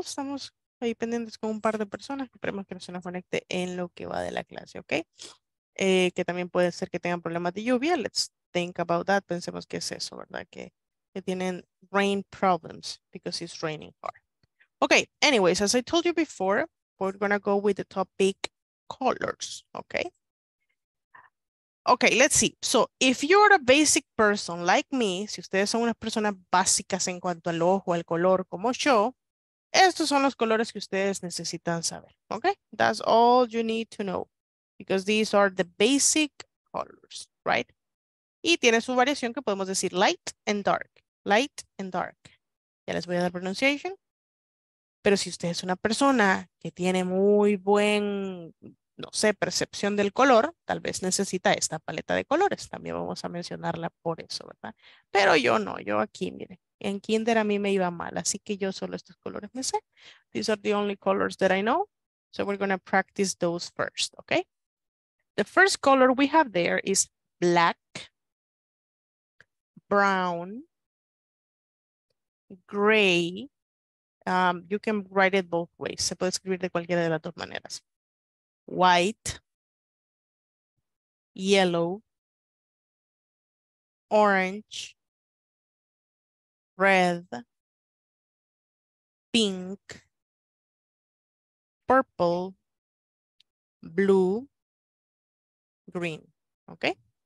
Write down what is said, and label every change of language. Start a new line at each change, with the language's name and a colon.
Spanish: Estamos ahí pendientes con un par de personas. Esperemos que no se nos conecte en lo que va de la clase, okay. Que también puede ser que tengan problemas de lluvia.
English: Let's think about that.
Spanish: Pensemos que es eso, ¿verdad? Que tienen
English: rain problems because it's raining hard. Okay, anyways, as I told you before, we're going to go with the topic colors, okay? Okay, let's see. So, if you're a basic person like me,
Spanish: si ustedes son unas personas básicas en cuanto al ojo, al color, como yo, estos son los colores que ustedes necesitan saber, okay?
English: That's all you need to know, because these are the basic colors, right?
Spanish: Y tiene su variación que podemos decir
English: light and dark, light and dark.
Spanish: Ya les voy a dar pronunciation. Pero si usted es una persona que tiene muy buen, no sé, percepción del color, tal vez necesita esta paleta de colores. También vamos a mencionarla por eso, ¿verdad? Pero yo no, yo aquí, mire, en kinder a mí me iba mal, así que yo solo estos colores me sé.
English: These are the only colors that I know. So we're going to practice those first, okay? The first color we have there is black, brown, gray. You can write it both ways.
Spanish: Se puede escribir de cualquiera de las dos maneras.
English: White, yellow, orange, red, pink, purple, blue, green. Okay?